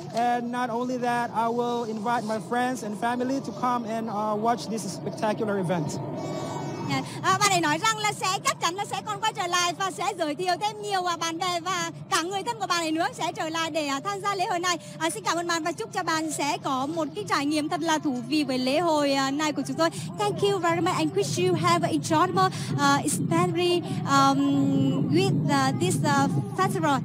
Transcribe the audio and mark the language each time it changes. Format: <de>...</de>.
<en>And not only that, I will invite my friends and family to come and watch this spectacular event.</en> <vi>Bạn ấy nói rằng là sẽ chắc chắn là sẽ còn quay trở lại và sẽ giới thiệu thêm nhiều bạn bè và cả người thân của bạn ấy nữa sẽ trở lại để tham gia lễ hội này. Xin cảm ơn bạn và chúc cho bạn sẽ có một cái trải nghiệm thật là thú vị với lễ hội này của chúng tôi.</vi> <en>Thank you very much and wish you have an enjoyable experience with this festival.</en>